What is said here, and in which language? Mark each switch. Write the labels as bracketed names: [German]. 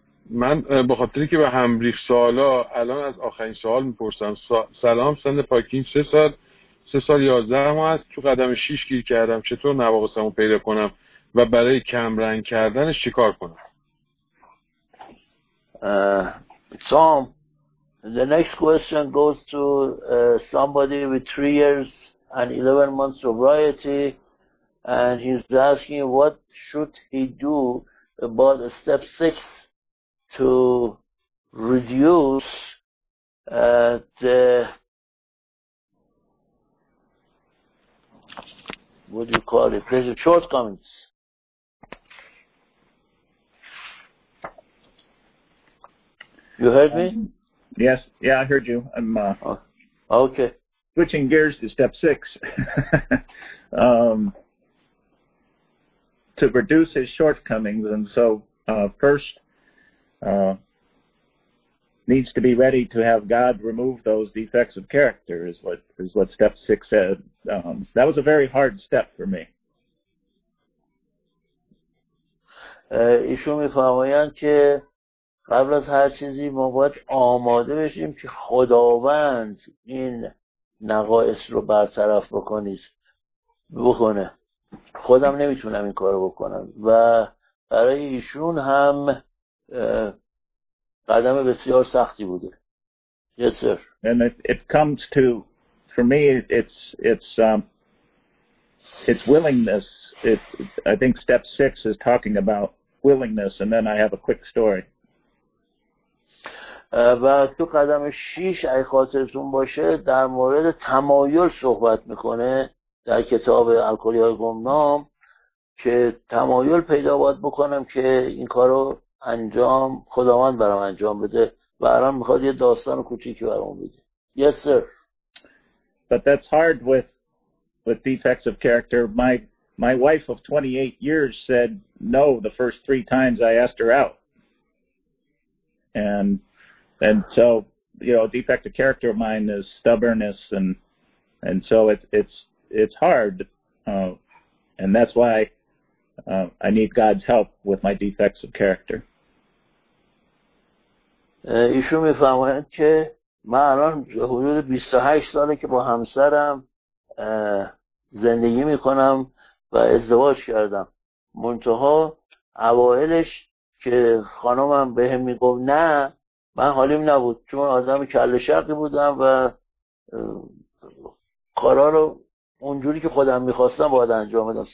[Persian] من به خاطری که به هم ریخ سوالا الان از آخرین سوال میپرسم. سلام، سن پاکین 3 سال 11 ماه است. تو قدم 6 گیر کردم، چطور نواقصم رو پیدا کنم و برای کمرنگ کردنش چی کار کنم؟ [English] Sam, the next question goes to somebody with 3 years and 11 months sobriety, and he's asking what should he do about step 6 to reduce the what do you call it? There's a shortcomings. You heard me? Yes. Yeah, I heard you. I'm okay. Switching gears to step 6. to reduce his shortcomings, and so first needs to be ready to have God remove those defects of character is what step 6 said. That was a very hard step for me. [Persian] ایشون میفرمایند که قبل از هر چیزی ما باید آماده بشیم که خداوند این نقایص رو برطرف بکنه. خودم نمیتونم این کارو بکنم و برای ایشون هم قدم بسیار سختی بوده. [English] Yes sir. And it comes to for me it's willingness. I think step 6 is talking about willingness, and then I have a quick story. [Persian] و تو قدم 6 اگه خاطرتون باشه در مورد تمایل صحبت میکنه در کتاب الکلیای گمنام که تمایل پیدا باید بکنم که این کارو انجام خداوند برام انجام بده و الان میخواد یه داستان کوچیکی برام بگه. [English] Yes sir. But that's hard with defects of character. My wife of 28 years said no the first 3 times I asked her out. And so, you know, a defect of character of mine is stubbornness, and so it's hard, and that's why I need God's help with my defects of character. [Persian] ایشون میفهمند که من الان حدود 28 ساله که با همسرم زندگی میکنم و ازدواج کردم. منتها اوائلش که خانمم به هم میگم نه من حالیم نبود چون آدم کل شرقی بودم و قرار رو اونجوری که خودم میخواستم باید انجام بدم.